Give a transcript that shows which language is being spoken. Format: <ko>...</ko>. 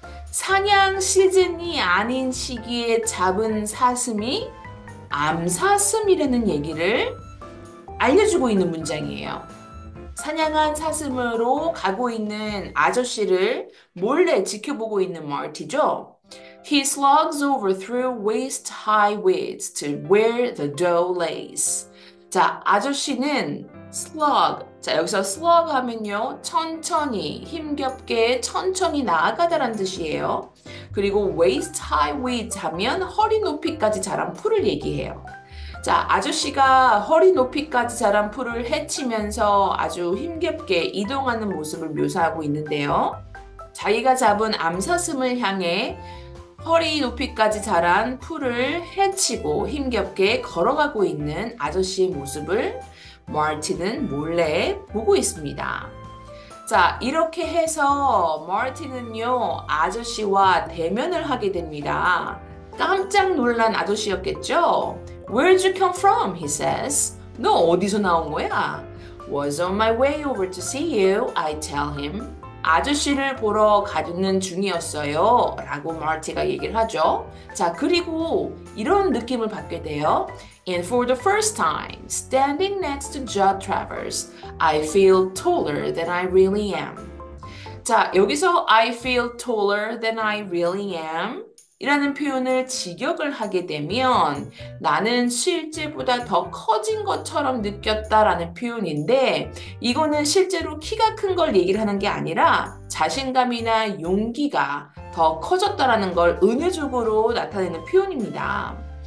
<ko>사냥 시즌이 아닌 시기에 잡은 사슴이 암사슴이라는 얘기를 알려주고 있는 문장이에요. 사냥한 사슴으로 가고 있는 아저씨를 몰래 지켜보고 있는 마티죠.</ko> <en>He slogs over through waist-high weeds to where the doe lays.</en> <ko>자, 아저씨는 slog. 자, 여기서 slog 하면요. 천천히, 힘겹게 천천히 나아가다란 뜻이에요. 그리고</ko> <en>waist-high weeds</en> <ko>하면 허리 높이까지 자란 풀을 얘기해요. 자, 아저씨가 허리 높이까지 자란 풀을 헤치면서 아주 힘겹게 이동하는 모습을 묘사하고 있는데요. 자기가 잡은 암사슴을 향해 허리 높이까지 자란 풀을 헤치고 힘겹게 걸어가고 있는 아저씨의 모습을 마티는 몰래 보고 있습니다. 자, 이렇게 해서 마티는요, 아저씨와 대면을 하게 됩니다. 깜짝 놀란 아저씨였겠죠?</ko> <en>Where'd you come from? He says.</en> <ko>너 어디서 나온 거야?</ko> <en>Was on my way over to see you, I tell him.</en> <ko>아저씨를 보러 가는 중이었어요. 라고 마티가 얘기를 하죠. 자, 그리고 이런 느낌을 받게 돼요.</ko> <en>And for the first time, standing next to Judd Travers, I feel taller than I really am.</en> <ko>자, 여기서</ko> <en>I feel taller than I really am.</en> <ko>이라는 표현을 직역을 하게 되면 나는 실제보다 더 커진 것처럼 느꼈다라는 표현인데 이거는 실제로 키가 큰걸 얘기를 하는 게 아니라 자신감이나 용기가 더 커졌다라는 걸 은유적으로 나타내는 표현입니다.</ko>